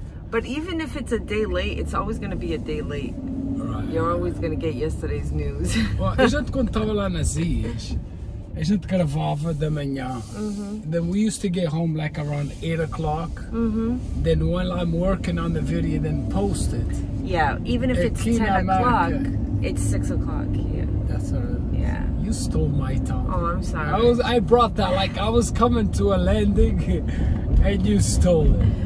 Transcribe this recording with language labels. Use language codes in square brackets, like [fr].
[en] But even if it's a day late, it's always going to be a day late. Right. You're always going to get yesterday's news. [pt] Well, a gente, quando estava lá nas Ilhas, a gente gravava da manhã. Mm-hmm. [en] Then we used to get home like around 8 o'clock. Mm-hmm. Then while I'm working on the video, then post it. Yeah, even if it's 10 America. O'clock, it's 6 o'clock here. That's what it is. Yeah. You stole my time. Oh, I'm sorry. I brought that, like I was coming to a landing and you stole it.